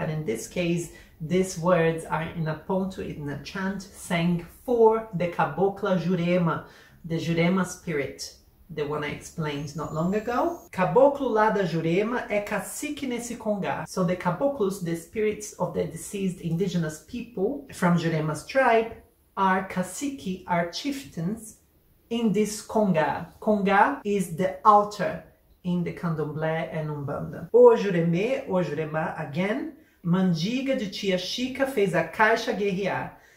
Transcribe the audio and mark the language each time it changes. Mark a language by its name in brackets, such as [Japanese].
[English] And in this case, these words are in a ponto, in a chant sang for the cabocla Jurema, the Jurema spirit, the one I explained not long ago. [Portuguese] Caboclo lá da Jurema é cacique nesse congá. [English] So the caboclos, the spirits of the deceased indigenous people from Jurema's tribe, are cacique, are chieftains in this congá. Congá is the altar in the candomblé and umbanda. [Portuguese] O Jureme, o Jurema, again, mandinga de tia Chica fez a caixa guerrear.